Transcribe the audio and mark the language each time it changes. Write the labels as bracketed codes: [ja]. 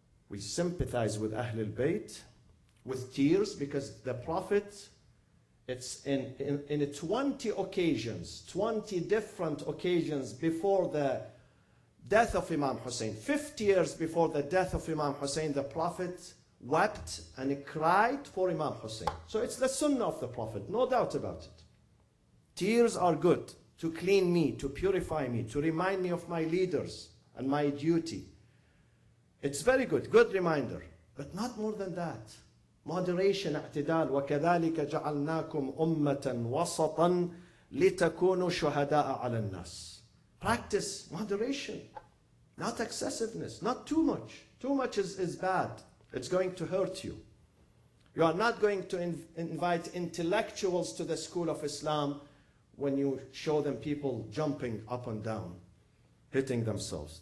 [en] We sympathize with Ahlul Bayt with tears because the Prophet, it's in 20 occasions, 20 different occasions before the death of Imam Hussein, 50 years before the death of Imam Hussein, the Prophet wept and cried for Imam Hussein. So it's the sunnah of the Prophet, no doubt about it. Tears are good to clean me, to purify me, to remind me of my leaders and my duty. It's very good, good reminder, but not more than that. Moderation, اعتدال. [ar] وكذلك جعلناكم أمة وسطا لتكونوا شهداء على الناس. [en] Practice moderation, not excessiveness, not too much. Too much is bad. It's going to hurt you. You are not going to invite intellectuals to the school of Islam when you show them people jumping up and down, hitting themselves.